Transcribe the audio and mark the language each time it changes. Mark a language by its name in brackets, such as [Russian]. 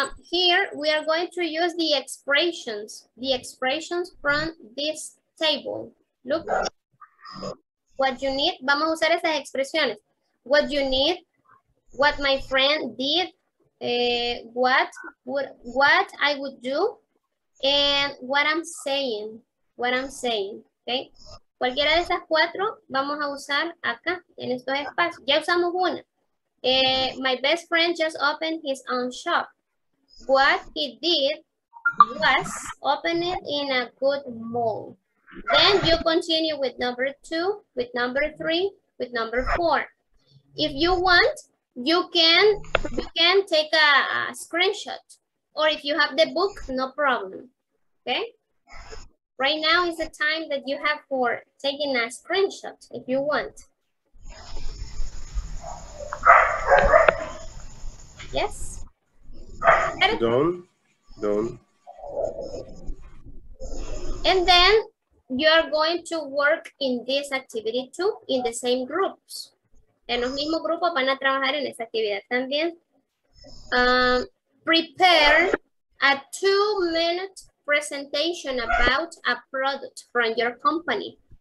[English] Here, we are going to use the expressions from this table. Look. What you need, [Spanish] vamos a usar esas expresiones. [English] What you need, what my friend did, what I would do, and what I'm saying, okay? [Spanish] Cualquiera de esas cuatro vamos a usar acá, en estos espacios. Ya usamos una. [English] My best friend just opened his own shop. What he did was open it in a good mood. Then you continue with number two, with number three, with number four. If you want, You can take a screenshot, or if you have the book, no problem, okay? Right now is the time that you have for taking a screenshot, if you want. Yes? Don't. And then you're going to work in this activity too, in the same groups. [Spanish] En los mismos grupos van a trabajar en esa actividad también. [English] Prepare a 2-minute presentation about a product from your company.